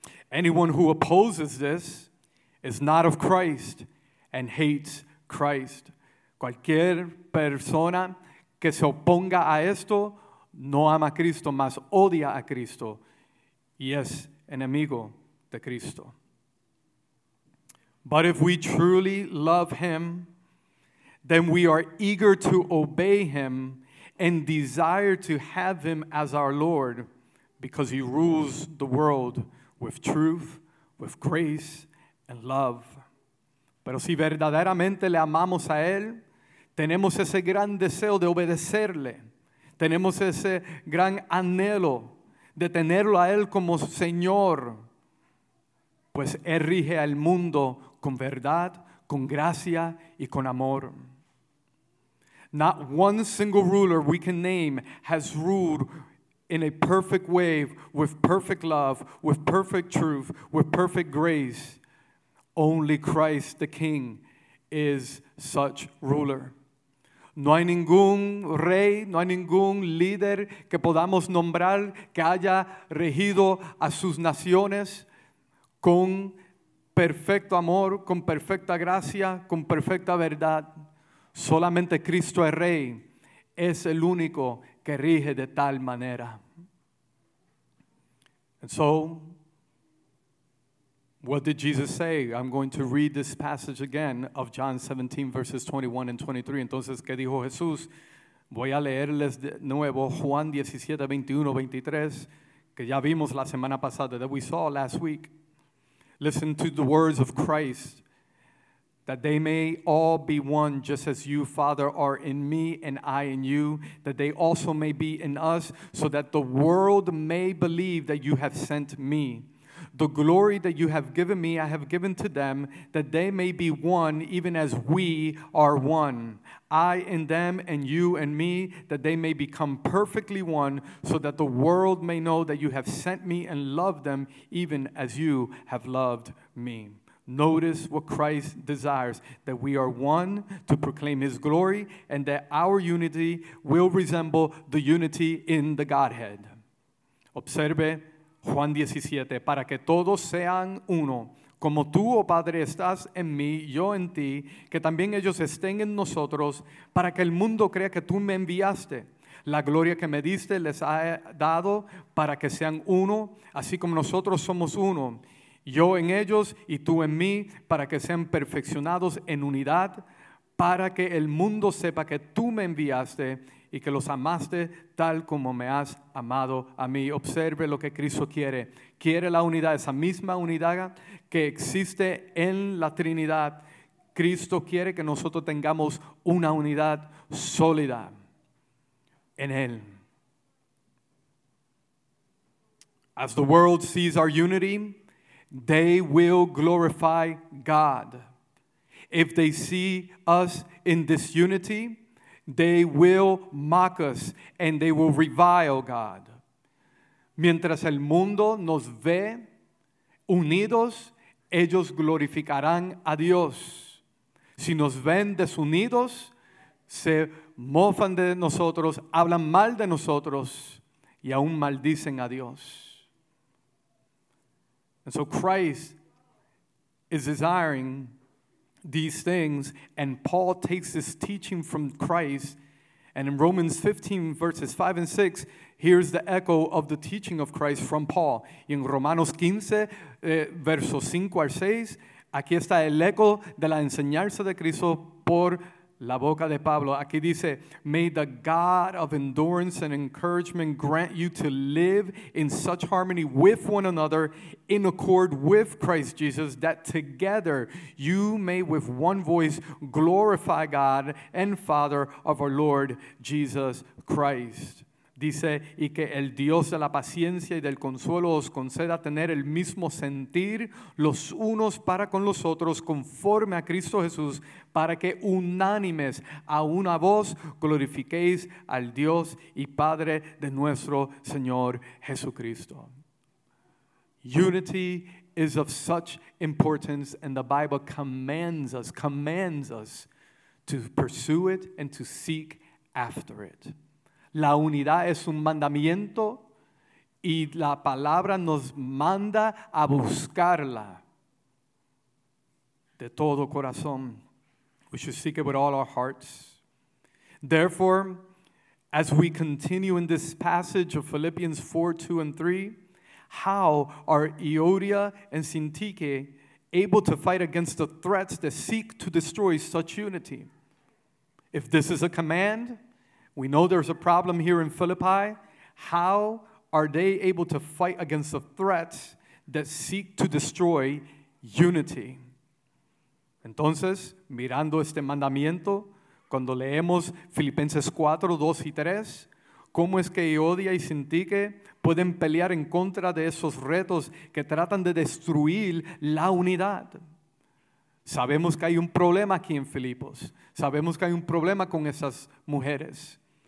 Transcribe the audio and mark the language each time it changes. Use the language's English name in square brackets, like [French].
[English] Anyone who opposes this is not of Christ and hates Christ. [Spanish] Cualquier persona que se oponga a esto no ama a Cristo, mas odia a Cristo y es enemigo de Cristo. [English] But if we truly love Him, then we are eager to obey Him and desire to have Him as our Lord, because He rules the world with truth, with grace, and love. [Spanish] Pero si verdaderamente le amamos a Él, tenemos ese gran deseo de obedecerle. Tenemos ese gran anhelo de tenerlo a Él como Señor. Pues Él rige al mundo con verdad, con gracia y con amor. [English] Not one single ruler we can name has ruled in a perfect way, with perfect love, with perfect truth, with perfect grace. Only Christ the King is such ruler. [Spanish] No hay ningún rey, no hay ningún líder que podamos nombrar que haya regido a sus naciones con perfecto amor, con perfecta gracia, con perfecta verdad. Solamente Cristo es rey, es el único que rige de tal manera. [English] And so, what did Jesus say? I'm going to read this passage again of John 17, verses 21 and 23. [Spanish] Entonces, ¿qué dijo Jesús? Voy a leerles de nuevo Juan 17, 21, 23, que ya vimos la semana pasada, [English] that we saw last week. Listen to the words of Christ, that they may all be one, just as you, Father, are in me and I in you, that they also may be in us, so that the world may believe that you have sent me. The glory that you have given me, I have given to them, that they may be one, even as we are one. I in them and you and me, that they may become perfectly one, so that the world may know that you have sent me and loved them, even as you have loved me. Notice what Christ desires, that we are one to proclaim his glory, and that our unity will resemble the unity in the Godhead. [Spanish] Observe Juan 17, para que todos sean uno, como tú, oh Padre, estás en mí, yo en ti, que también ellos estén en nosotros, para que el mundo crea que tú me enviaste. La gloria que me diste les ha dado para que sean uno, así como nosotros somos uno. Yo en ellos y tú en mí, para que sean perfeccionados en unidad, para que el mundo sepa que tú me enviaste y que los amaste tal como me has amado a mí. Observe lo que Cristo quiere. Quiere la unidad, esa misma unidad que existe en la Trinidad. Cristo quiere que nosotros tengamos una unidad sólida en Él. [English] As the world sees our unity, they will glorify God. If they see us in disunity, they will mock us and they will revile God. [Spanish] Mientras el mundo nos ve unidos, ellos glorificarán a Dios. Si nos ven desunidos, se mofan de nosotros, hablan mal de nosotros y aún maldicen a Dios. [English] And so Christ is desiring these things, and Paul takes this teaching from Christ, and in Romans 15, verses 5 and 6, here's the echo of the teaching of Christ from Paul. [Spanish] Y en Romanos 15, versos 5 al 6, aquí está el eco de la enseñanza de Cristo por la boca de Pablo. Aquí dice, [English] may the God of endurance and encouragement grant you to live in such harmony with one another in accord with Christ Jesus, that together you may with one voice glorify God and Father of our Lord Jesus Christ. [Spanish] Dice, y que el Dios de la paciencia y del consuelo os conceda tener el mismo sentir los unos para con los otros conforme a Cristo Jesús, para que unánimes a una voz glorifiquéis al Dios y Padre de nuestro Señor Jesucristo. [English] Unity is of such importance, and the Bible commands us to pursue it and to seek after it. [Spanish] La unidad es un mandamiento y la palabra nos manda a buscarla de todo corazón. [English] We should seek it with all our hearts. Therefore, as we continue in this passage of Philippians 4, 2, and 3, how are Euodia and Syntyche able to fight against the threats that seek to destroy such unity? If this is a command, we know there's a problem here in Philippi. How are they able to fight against the threats that seek to destroy unity? [Spanish] Entonces, mirando este mandamiento, cuando leemos Filipenses 4, 2 y 3, ¿cómo es que Euodia y Syntyche pueden pelear en contra de esos retos que tratan de destruir la unidad? Sabemos que hay un problema aquí en Filipos. Sabemos que hay un problema con esas mujeres.